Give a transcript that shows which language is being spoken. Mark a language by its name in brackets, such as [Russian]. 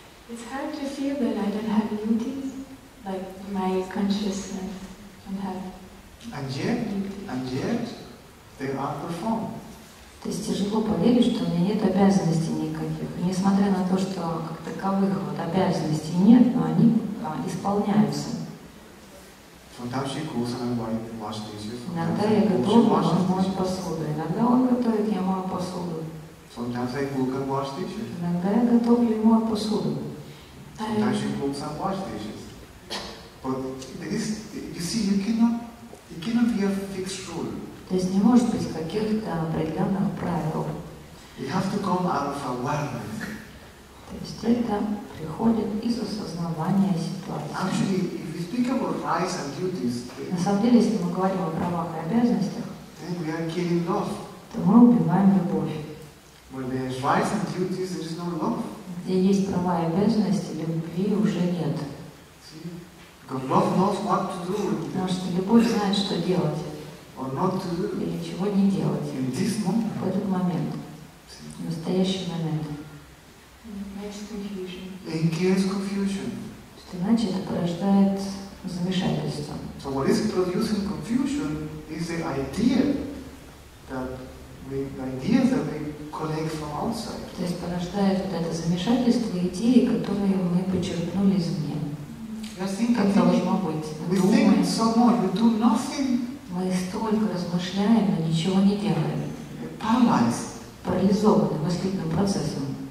[English] It's hard to feel that I don't have duties, like my consciousness don't have. And yet, they are performed. [Russian] То есть тяжело поверить, что у меня нет обязанностей никаких, несмотря на то, что как таковых вот обязанностей нет, но они исполняются. [English] Sometimes she cooks and I might wash dishes. [Russian] Иногда я готова, он моет посуду. Иногда он готовит, я мою посуду. [English] Sometimes I cook and wash dishes. [Russian] Иногда я готовлю и мою посуду. [English] Sometimes she cooks and wash dishes. But this, you see, you cannot be a fixed rule. [Russian] То есть не может быть каких-то определенных правил. [English] You have to come out of awareness. [Russian] То есть это приходит из осознавания ситуации. [English] Actually, if we speak about rights and duties, [Russian] на самом деле, если мы говорим о правах и обязанностях, [English] then we are killing love. [Russian] То мы убиваем любовь. [English] Where there is rights and duties, there is no love. [Russian] Где есть права и обязанности, любви уже нет. [English] See? Because love knows what to do. [Russian] Потому что любовь знает, что делать. [English] Or not to do. [Russian] Или чего не делать. [English] In this moment. [Russian] В этот момент. В настоящий момент. [English] Confusion. It creates confusion. [Russian] Иначе это порождает замешательство. [English] So what is producing confusion is the idea that we, the ideas that we collect from outside. [Russian] То есть порождает вот это замешательство идеи, которые мы почерпнули извне. как должно быть. [English] We think so much, we do nothing. [Russian] Мы столько размышляем, но ничего не делаем. [English] Paralyzed. [Russian] Парализованы мыслительным процессом.